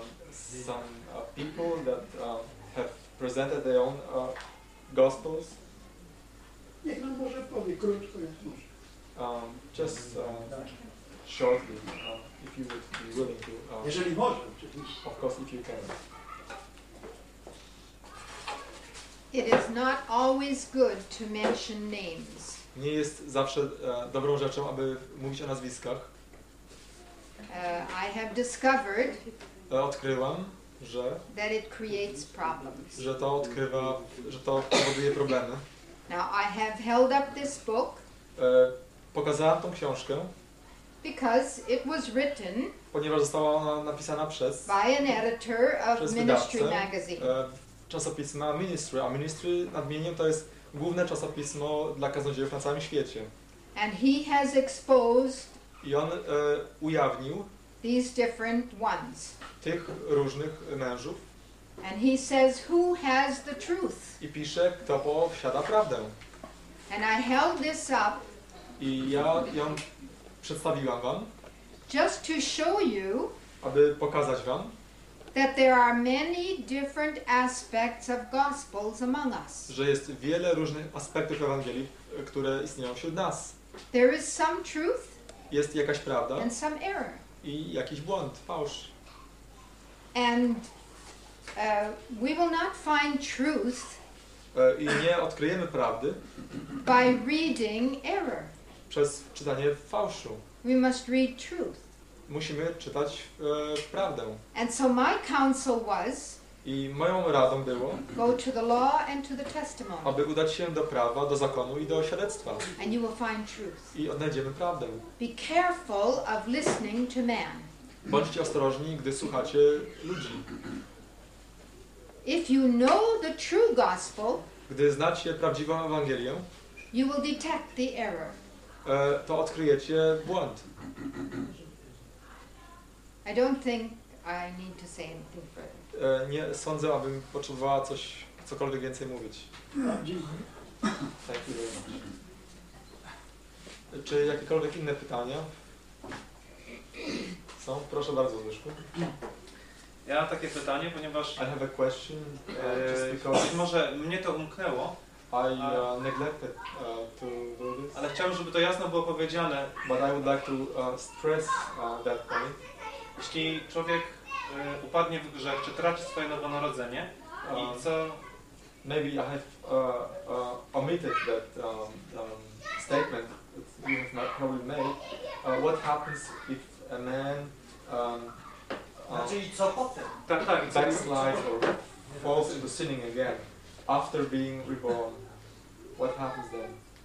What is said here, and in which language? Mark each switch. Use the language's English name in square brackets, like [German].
[English] Some people that have presented their own gospels. [Polish] Niech nam może powie krótko, jak może. [English] Just shortly, if you would be willing to. [Polish] Jeżeli może, oczywiście. [English] Of course, if you can. It is not always good to mention names. [Polish] Nie jest zawsze dobrą rzeczą, aby mówić o nazwiskach. [English] I have discovered. [Polish] Odkryłam, że. [English] That it creates problems. [Polish] Że to odkrywa, że to powoduje problemy. [English] Now I have held up this book. [Polish] Pokazałam tą książkę. [English] Because it was written. [Polish] Ponieważ została ona napisana przez. [English] By an editor of Ministry magazine. [Polish] Czasopisma Ministry, a Ministry nadmieniem to jest główne czasopismo dla kaznodziejów na całym świecie. [English] And he has exposed. [Polish] I on ujawnił. [English] These different ones. [Polish] Tych różnych mężów. [English] And he says who has the truth. [Polish] I pisze kto posiada prawdę. [English] And I held this up. [Polish] I ja ją przedstawiłam wam, [English] just to show you, [Polish] aby pokazać wam, [English] that there are many different aspects of gospels among us. [Polish] Że jest wiele różnych aspektów Ewangelii, które istnieją wśród nas. [English] There is some truth, [Polish] jest jakaś prawda, [English] and some error. [Polish] I jakiś błąd, fałsz. [English] And we will not find truth [Polish] i nie odkryjemy prawdy [English] by reading error. [Polish] Przez czytanie fałszu. [English] We must read truth. [Polish] Musimy czytać prawdę. [English] And so my counsel was, [Polish] i moją radą było, [English] go to the law and to the testimony. [Polish] Aby udać się do prawa, do zakonu i do świadectwa. [English] And you will find truth. [Polish] I odnajdziemy prawdę. [English] Be careful of listening to man. [Polish] Bądźcie ostrożni, gdy słuchacie ludzi. [English] If you know the true gospel, [Polish] gdy znacie prawdziwą Ewangelię, [English] you will detect the error. [Polish] To odkryjecie błąd. [English] I don't think I need to say anything further. [Polish] Nie sądzę, abym potrzebowała coś, cokolwiek więcej mówić. Dziękuję. [English] Thank you very much. [Polish] Czy jakiekolwiek inne pytania są? Proszę bardzo, Zbyszku. Ja mam takie pytanie, ponieważ... [English] I have a question. [Polish] Być może mnie to umknęło. [English] I neglected to do this. [Polish] Ale chciałbym, żeby to jasno było powiedziane. [English] But I would like to stress that point. [Polish] Jeśli człowiek upadnie w grzech, czy traci swoje nowonarodzenie, i co... [English] Maybe I have omitted that statement that you have probably made. What happens if a man... [Polish] Czyli co potem? Tak, [English] backslides or falls into sinning again. After being reborn, what happens then?